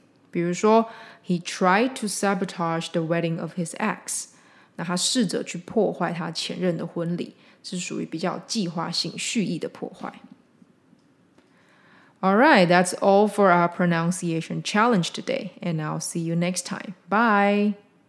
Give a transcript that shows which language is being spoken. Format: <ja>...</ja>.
<zh>比如说</zh> <en>He tried to sabotage the wedding of his ex。</en> <zh>那他试着去破坏他前任的婚礼，是属于比较计划性蓄意的破坏。</zh> <en>Alright, that's all for our pronunciation challenge today, and I'll see you next time. Bye!</en>